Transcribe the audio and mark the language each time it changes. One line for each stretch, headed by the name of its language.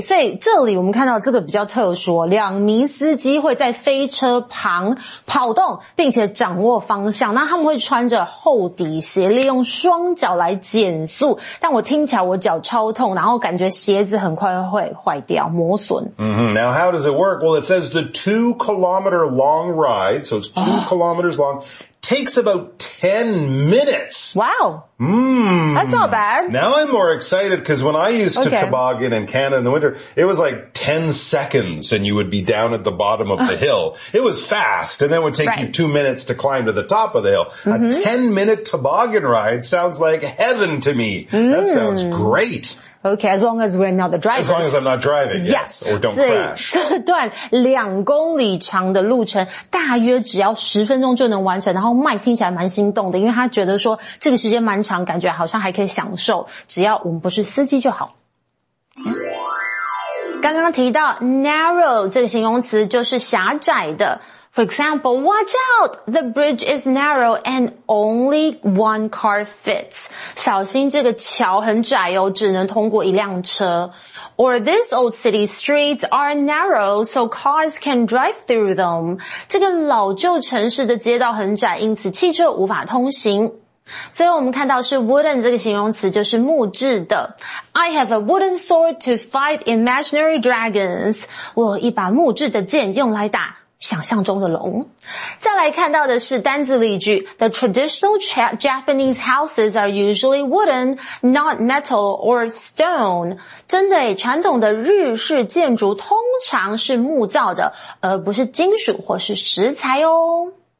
Chinese: 所以这里我们看到这个比较特殊，两名司机会在飞车旁跑动，并且掌握方向。那他们会穿着厚底鞋，利用双脚来减速。但我听起来我脚超痛，然后感觉鞋子很快会坏掉，磨损。
English: Mm-hmm. Now, how does it work? Well, it says the 2 kilometer long ride, so it's 2 kilometers long, takes about 10 minutes. Wow. That's not bad. Now I'm more excited because when I used to toboggan in Canada in the winter, it was like 10 seconds and you would be down at the bottom of the hill. It was fast and then it would take you 2 minutes to climb to the top of the hill. Mm-hmm. A 10-minute toboggan ride sounds like heaven to me. Mm. That sounds great. Okay, as long as we're not the drivers. As long as I'm not driving, yes, or don't crash.
Chinese: 这段两公里长的路程大约只要十分钟就能完成，然后 Mike 听起来蛮心动的，因为他觉得说这个时间蛮长，感觉好像还可以享受，只要我们不是司机就好。刚刚提到 narrow 这个形容词就是狭窄的。
English: For example, watch out! The bridge is narrow and only one car fits.
Chinese: 小心这个桥很窄哦，只能通过一辆车。
English: Or this old city streets are narrow so cars can drive through them.
Chinese: 这个老旧城市的街道很窄，因此汽车无法通行。最后我们看到是 wooden 这个形容词，就是木质的。
English: I have a wooden sword to fight imaginary dragons.
Chinese: 我有一把木质的剑用来打想象中的龙。再来看到的是单字例句，
English: The traditional Japanese houses are usually wooden, not metal or stone.
Chinese: 真的，传统的日式建筑通常是木造的，而不是金属或是石材哦。